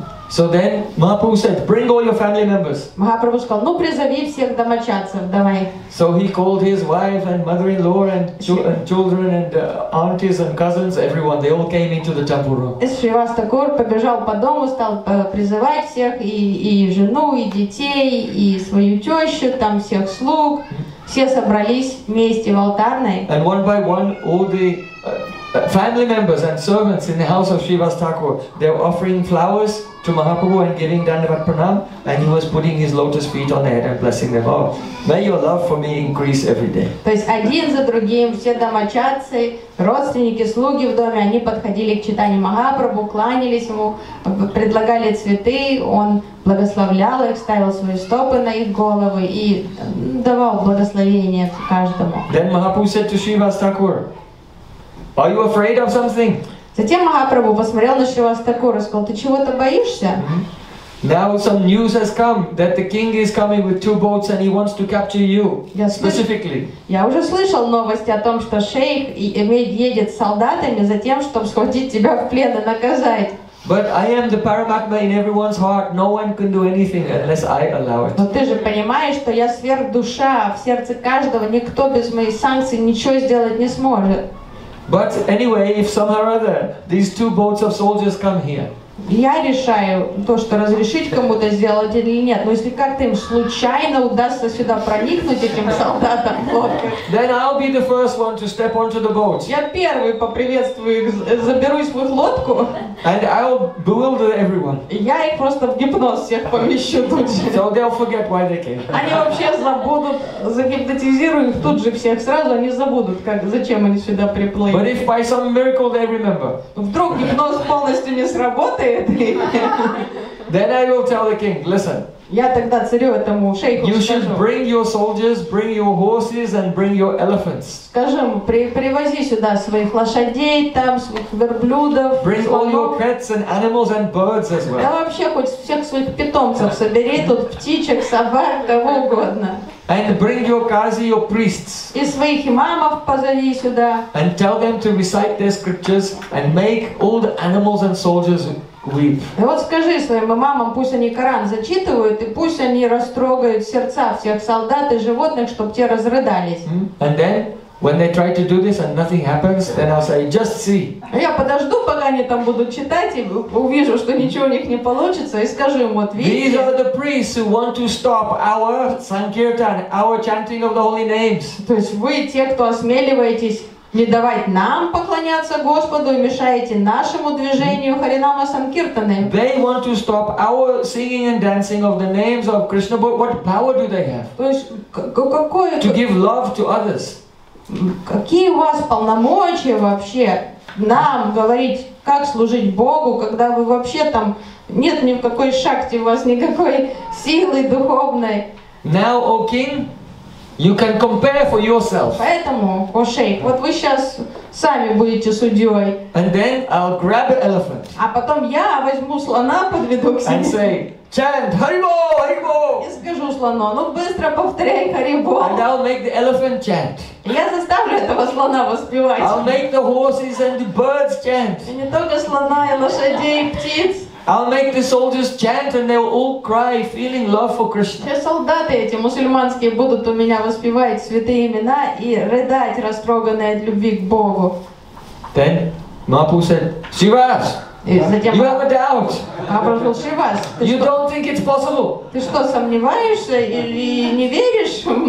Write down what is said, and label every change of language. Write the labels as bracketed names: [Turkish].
[English] So then Mahaprabhu said, bring all your family members. [Russian] Mahaprabhu сказал, ну призови всех домочадцев, давай. [English] So he called his wife and mother-in-law and children and aunties and cousins, everyone, they all came into the temple room. [Russian] Шривас Такур побежал по дому, стал призывать всех, и жену, и детей, и свою тещу, там всех слуг. Все собрались вместе в алтарной. [English] And one by one, all the family members and servants in the house of Shrivas Thakur, they were offering flowers to Mahaprabhu and giving Dandavat Pranam, and he was putting his lotus feet on the head and blessing them all. May your love for me increase every day. [Russian] То есть один за другим все домочадцы, родственники, слуги в доме, они подходили к читанию Махапрабху, кланялись ему, предлагали цветы, он благословлял их, ставил свои стопы на их головы и давал благословение каждому. [English] Then Mahaprabhu said to Shrivas Thakur, are you afraid of something? [Russian] Затем Махапрабху посмотрел на Шривас Такура и сказал, ты чего-то боишься? [English] Now some news has come that the king is coming with two boats and he wants to capture you specifically. [Russian] Я уже слышал новости о том, что шейх едет с солдатами за тем, чтобы схватить тебя в плен и наказать. [English] But I am the Paramatma in everyone's heart. No one can do anything unless I allow it. [Russian] Но ты же понимаешь, что я сверхдуша в сердце каждого. Никто без моей санкции ничего сделать не сможет. [English] But anyway, if somehow or other these two boats of soldiers come here. [Russian] Я решаю то, что разрешить кому-то сделать или нет. Но если как-то им случайно удастся сюда проникнуть этим солдатам, [English] then I'll be the first one to step onto the boat. [Russian] Я первый поприветствую их, заберусь в их лодку. [English] And I'll bewilder everyone. [Russian] Я их просто в гипноз всех помещу тут же. [English] So they'll forget why they came. [Russian] Они вообще забудут, загипнотизирую их тут же всех сразу, они забудут, как зачем они сюда приплыли. [English] But if by some miracle they remember. [Russian] Вдруг гипноз полностью не сработает. [English] Then I will tell the king, listen. [Russian] Я тогда царю этому шейху скажу. [English] You should bring your soldiers, bring your horses, and bring your elephants. [Russian] Скажем, привози сюда своих лошадей, там своих верблюдов. [English] Bring all your pets and animals and birds as well. [Russian] Да вообще хоть всех своих питомцев собери тут, птичек, собак, кого угодно. [English] And bring your qazi, your priests. [Russian] И своих имамов позови сюда. [English] And tell them to recite their scriptures and make all the animals and soldiers weep. [Russian] И вот скажи своим имамам, пусть они Коран зачитывают, и пусть они растрогают сердца всех солдат и животных, чтобы те разрыдались. [English] And then, when they try to do this and nothing happens, then I'll say, just see. [Russian] Я подожду, пока они там будут читать, и увижу, что ничего у них не получится, и скажу им, вот видите. [English] These are the priests who want to stop our sankirtan, our chanting of the holy names. [Russian] То есть вы те, кто осмеливаетесь не давать нам поклоняться Господу и мешаете нашему движению Харинама Санкиртаны. [English] They want to stop our singing and dancing of the names of Krishna, but what power do they have? [Russian] То есть, какое... [English] To give love to others. [Russian] Какие у вас полномочия вообще нам говорить, как служить Богу, когда вы вообще там нет ни в какой шахте у вас никакой силы духовной? [English] Now, O King, you can compare for yourself. [Russian] Поэтому, о шейх, вот вы сейчас сами будете судьей. [English] And then I'll grab an elephant. [Russian] А потом я возьму слона, подведу к себе. [English] And say, chant, Haribo, Haribo. [Russian] И скажу слону, ну быстро повторяй Харибо. [English] And I'll make the elephant chant. [Russian] Я заставлю этого слона воспевать. [English] I'll make the horses and the birds chant. [Russian] И не только слона, и лошадей, и птиц. [English] I'll make the soldiers chant and they'll all cry, feeling love for Krishna. [Russian] Все солдаты эти мусульманские будут у меня воспевать святые имена и рыдать, растроганные от любви к Богу. [English] Then Mahaprabhu said, Shivas, [Russian] затем, [English] you have a doubt. [Russian] Mahaprabhu сказал, Shivas, [English] you don't think it's possible. [Russian] Ты что, сомневаешься или не веришь?